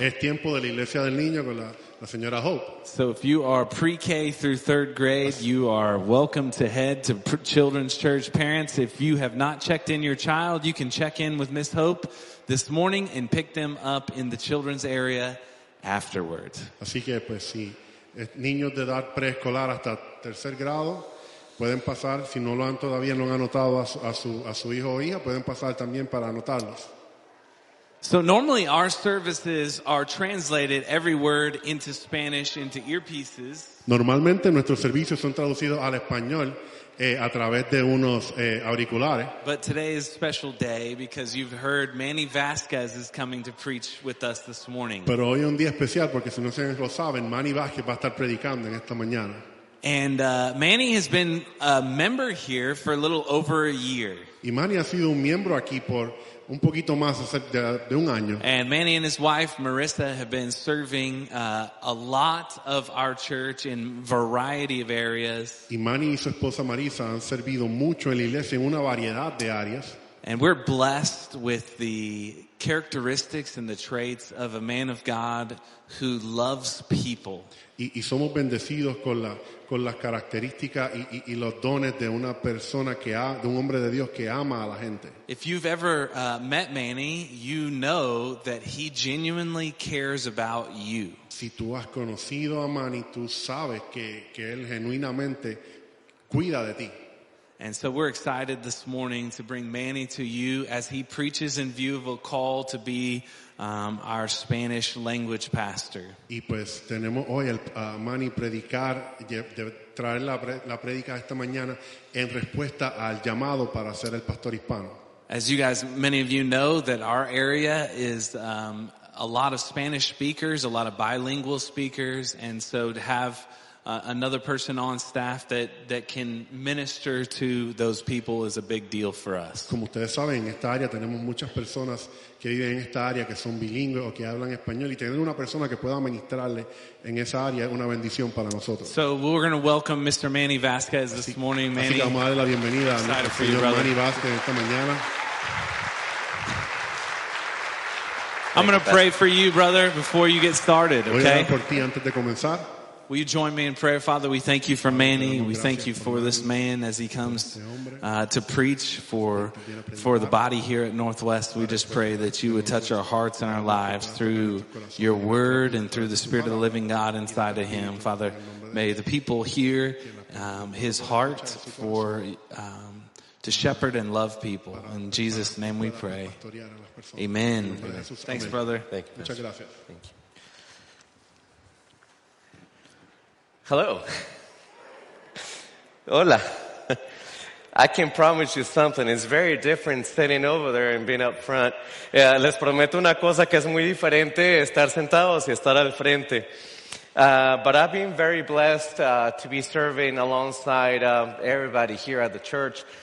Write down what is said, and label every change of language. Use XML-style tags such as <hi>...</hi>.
<es>Es tiempo de la iglesia del niño con la señora Hope.</es> <en>So if you are pre-K through third grade, you are welcome to head to Children's Church. Parents, if you have not checked in your child, you can check in with Miss Hope this morning and pick them up in the children's area afterwards.</en> <es>Así que, pues, sí. Niños de edad preescolar hasta tercer grado pueden pasar, si no lo han todavía, no han anotado a su hijo o hija, pueden pasar también para anotarlos.</es> <en>So normally our services are translated every word into Spanish into earpieces.</en> <es>Normalmente nuestros servicios son traducidos al español a través de unos auriculares.</es> <en>But today is a special day because you've heard Manny Vasquez is coming to preach with us this morning.</en> <es>Pero hoy es un día especial porque si no se lo saben, Manny Vasquez va a estar predicando en esta mañana.</es> <en>And Manny has been a member here for a little over a year.</en> <es>Y Manny ha sido un miembro aquí por un poquito más de un año.</es> <en>And Manny and his wife Marissa have been serving a lot of our church in variety of areas.</en> <es>Y Manny y su esposa Marisa han servido mucho en la iglesia en una variedad de áreas.</es> <en>And we're blessed with the characteristics and the traits of a man of God who loves people.</en> <es>Y somos bendecidos con las características y los dones de una persona de un hombre de Dios que ama a la gente.</es> <en>If you've ever met Manny, you know that he genuinely cares about you.</en> <es>Si tú has conocido a Manny, tú sabes que él genuinamente cuida de ti.</es> <en>And so we're excited this morning to bring Manny to you as he preaches in view of a call to be our Spanish language pastor.</en> <es>Y pues tenemos hoy a Manny predicar, de traer la predica esta mañana en respuesta al llamado para ser el pastor hispano.</es> <en>As you guys, many of you know that our area is a lot of Spanish speakers, a lot of bilingual speakers, and so to have another person on staff that can minister to those people is a big deal for us.</en> <es>Como ustedes saben, en esta área tenemos muchas personas que viven en esta área que son bilingües o que hablan español, y tener una persona que pueda ministrarle en esa área es una bendición para nosotros.</es> <en>So we're going to welcome Mr. Manny Vasquez this morning, Manny.</en> <es>Así que vamos a darle la bienvenida a nuestro señor Manny Vasquez esta mañana.</es> <en>I'm going to pray for you, brother, before you get started, okay?</en> <es>Voy a orar por ti antes de comenzar.</es> <en>Will you join me in prayer? Father, we thank you for Manny. We thank you for this man as he comes to preach for the body here at Northwest. We just pray that you would touch our hearts and our lives through your word and through the Spirit of the living God inside of him. Father, may the people hear his heart for to shepherd and love people. In Jesus' name we pray. Amen. Thanks, brother. Thank you. Thank you. Hello.</en> <es>Hola.</es> <en>I can promise you something. It's very different sitting over there and being up front.</en> <es>Les prometo una cosa que es muy diferente estar sentados y estar al frente.</es> <en>But I've been very blessed to be serving alongside everybody here at the church.</en>